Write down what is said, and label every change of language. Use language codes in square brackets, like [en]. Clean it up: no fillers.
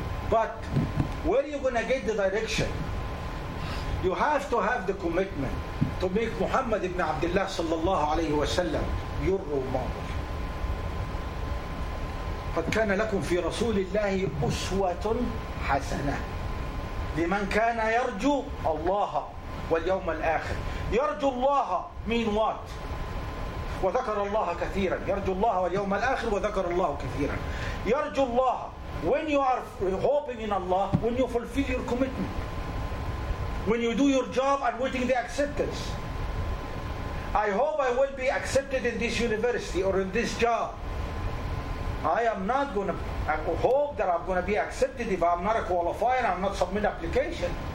[en] But where are you going to get the direction? You have to have the commitment to make Muhammad ibn Abdullah sallallahu alayhi wa sallam your role model. [ar] قَدْ كَانَ لَكُمْ فِي رَسُولِ اللَّهِ أُسْوَةٌ حَسَنَةٌ لِمَنْ كَانَ يَرْجُو اللَّهَ وَالْيَوْمَ الْآخِرِ. يرجو الله [en] mean what? [ar] وذكر الله كثيرا. يرجو الله واليوم الآخر وذكر الله كثيرا. يرجو الله. [en] When you are hoping in Allah, when you fulfill your commitment, when you do your job and waiting the acceptance. I hope I will be accepted in this university or in this job. I am not going to hope that I'm going to be accepted if I'm not a qualifier and I'm not submitting application.